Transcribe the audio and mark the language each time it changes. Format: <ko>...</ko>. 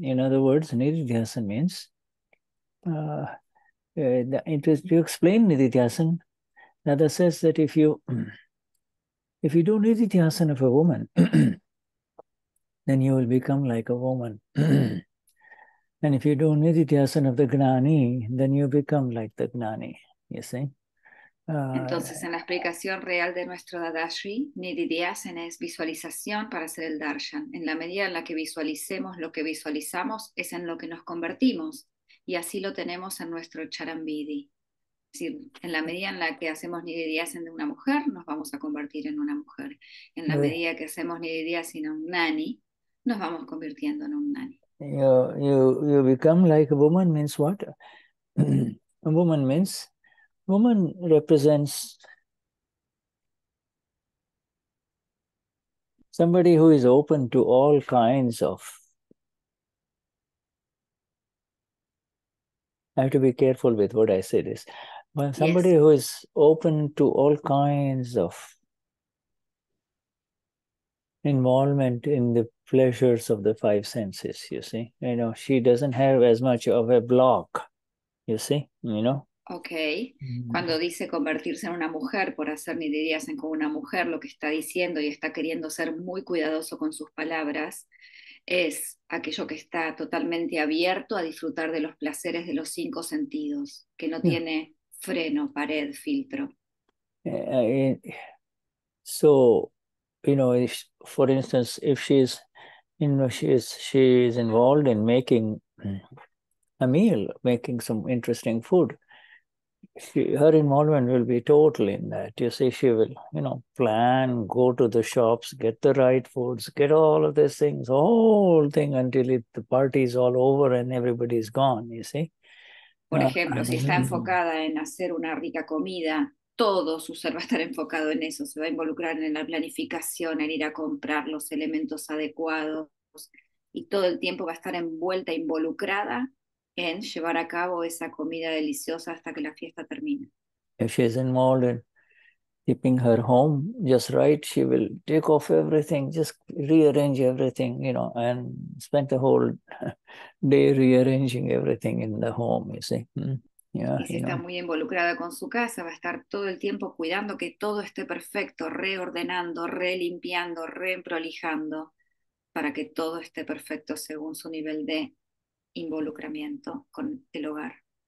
<en>In other words, nididhyasan means, you explain nididhyasan. Dada says that if you do nididhyasan of a woman, then you will become like a woman. And if you do nididhyasan of the gnani, then you become like the gnani, you see?</en> <es>Entonces, en la explicación real de nuestro Dadashri, nididhyasan es visualización para hacer el darshan. En la medida en la que visualicemos lo que visualizamos, es en lo que nos convertimos. Y así lo tenemos en nuestro charanvidhi. Es decir, en la medida en la que hacemos nididhyasan de una mujer, nos vamos a convertir en una mujer. En la medida que hacemos nididhyasan en un nani, nos vamos convirtiendo en un nani.</es> <en>You become like a woman means what? A woman means... Woman represents somebody who is open to all kinds of... I have to be careful with what I say this. Well, somebody who is open to all kinds of involvement in the pleasures of the five senses, you see. You know, she doesn't have as much of a block, you see, you know.</en> <es>Okay, cuando dice convertirse en una mujer por hacer nididhyasan con una mujer, lo que está diciendo y está queriendo ser muy cuidadoso con sus palabras es aquello que está totalmente abierto a disfrutar de los placeres de los cinco sentidos, que no tiene freno, pared, filtro.</es> <en>So, you know, if, for instance, if she's, you know, she is involved in making a meal, making some interesting food, her involvement will be total in that. You see, she will, you know, plan, go to the shops, get the right foods, get all of these things, whole thing until the party is all over and everybody is gone, you see.</en> <es>Por ejemplo, si está enfocada en hacer una rica comida, todo su ser va a estar enfocado en eso. Se va a involucrar en la planificación, en ir a comprar los elementos adecuados y todo el tiempo va a estar envuelta, involucrada en llevar a cabo esa comida deliciosa hasta que la fiesta termine.</es> <en>If she's involved in keeping her home just right, she will take off everything, just rearrange everything, you know, and spend the whole day rearranging everything in the home, you see.</en> <es>Y si está muy involucrada con su casa, va a estar todo el tiempo cuidando que todo esté perfecto, reordenando, relimpiando, reprolijando, para que todo esté perfecto según su nivel de involucramiento con el hogar.</es>